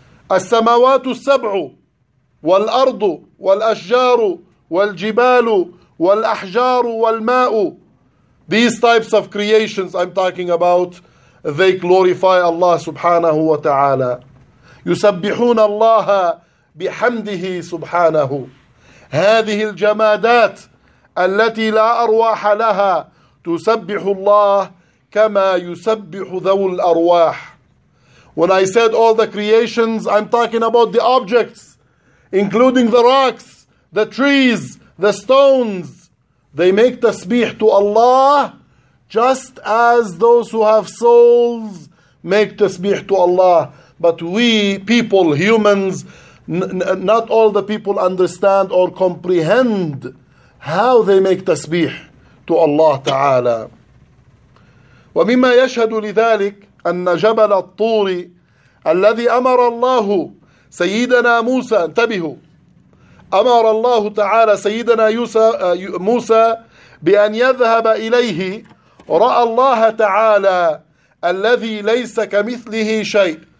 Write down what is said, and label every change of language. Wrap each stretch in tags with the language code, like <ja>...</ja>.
<ar>As-samawatu as-sab'u wal-ardu wal-ashjaru wal-jibalu والأحجار والماء.</ar> <en>These types of creations I'm talking about, they glorify Allah</en> <ar>سبحانه وتعالى. يسبحون الله بحمده سبحانه. هذه الجمادات التي لا أرواح لها تسبح الله كما يسبح ذو الأرواح.</ar> <en>When I said all the creations, I'm talking about the objects, including the rocks, the trees, the stones. They make tasbih to Allah just as those who have souls make tasbih to Allah. But we people, humans, not all the people understand or comprehend how they make tasbih to Allah Ta'ala.</en> <ar>وَمِمَّا يَشْهَدُ لِذَلِكَ أَنَّ جَبَلَ الطُّورِ الَّذِي أَمَرَ اللَّهُ سَيِّدَنَا مُوسَى انتبهوا أمر الله تعالى سيدنا موسى بأن يذهب إليه. رأى الله تعالى الذي ليس كمثله شيء.</ar>